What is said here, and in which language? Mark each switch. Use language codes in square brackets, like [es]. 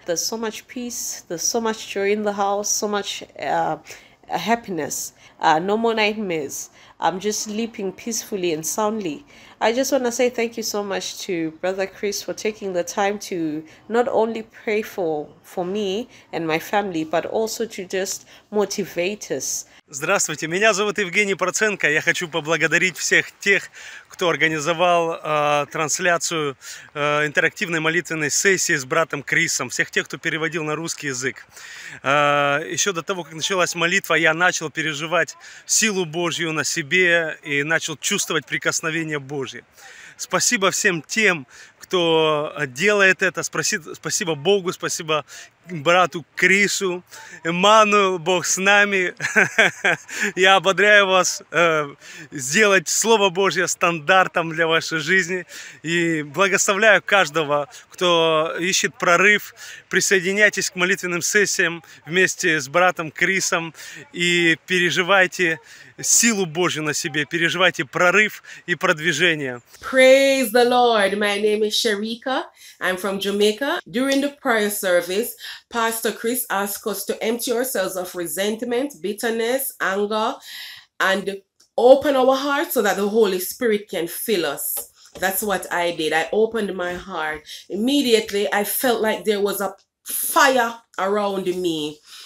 [en] There's so much peace, there's so much joy in the house, so much happiness, no more nightmares. I'm just sleeping peacefully and soundly. I just want to say thank you so much to Brother Chris for taking the time to not only pray for me and my family, but also to just motivate us. [ru] Здравствуйте, меня зовут Евгений Проценко. Я хочу поблагодарить всех тех, кто организовал трансляцию интерактивной молитвенной сессии с братом Крисом, всех тех, кто переводил на русский язык. Еще до того, как началась молитва, я начал переживать силу Божью на себе и начал чувствовать прикосновение Божье. Спасибо всем тем, кто делает это. Спасибо Богу, спасибо брату Крису. Эммануэл, Бог с нами. Я ободряю вас сделать Слово Божье стандартом для вашей жизни. И благословляю каждого, кто ищет прорыв. Присоединяйтесь к молитвенным сессиям вместе с братом Крисом. И переживайте силу Божью на себе. Переживайте прорыв и продвижение. [en] Praise the Lord. My name is Sharika. I'm from Jamaica. During the prayer service, Pastor Chris asked us to empty ourselves of resentment, bitterness, anger, and open our hearts so that the Holy Spirit can fill us. That's what I did. I opened my heart. Immediately, I felt like there was a fire around me.